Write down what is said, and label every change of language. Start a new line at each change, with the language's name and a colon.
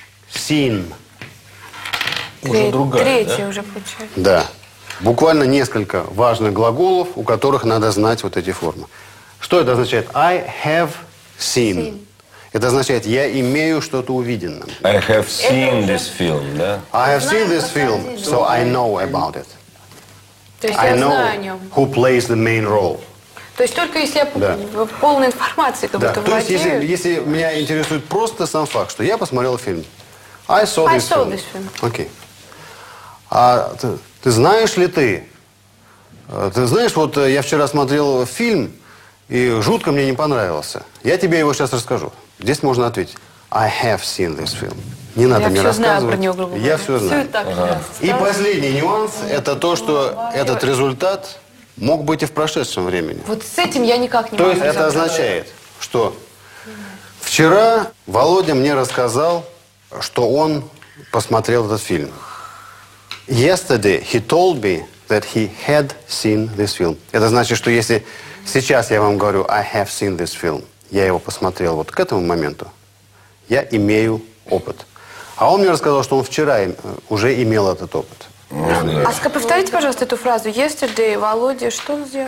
English: Seen.
Russian: Уже другая, третья, да? Третья уже получается. Да. Буквально несколько важных глаголов, у которых надо знать вот эти формы. Что это означает?
English: I have seen.
Russian: Это означает, я имею что-то увиденное.
English: I have seen this film, да? I have seen this film, so I know about it.
Russian: То есть
English: I know
Russian: я знаю о нем.
English: Who plays the main role.
Russian: То есть только если я в полной информации как будто владею. То есть если меня интересует просто сам факт, что я посмотрел фильм.
English: I saw this film. Окей. Okay.
Russian: Ты знаешь ли ты? Ты знаешь, вот я вчера смотрел фильм, и жутко мне не понравился. Я тебе его сейчас расскажу. Здесь можно ответить.
English: I have seen this film.
Russian: Не надо я мне рассказывать. Я все знаю про него. Я все знаю. Все и так. Ага. И последний нюанс – это то, что этот результат мог быть и в прошедшем времени. Вот с этим я никак не могу. То есть это означает, что вчера Володя мне рассказал, что он посмотрел этот фильм.
English: Yesterday he told me that he had seen this film.
Russian: Это значит, что если сейчас я вам говорю
English: I have seen this film,
Russian: я его посмотрел вот к этому моменту, я имею опыт. А он мне рассказал, что он вчера уже имел этот опыт. Да. А повторите, пожалуйста, эту фразу. Yesterday, Володя, что он сделал?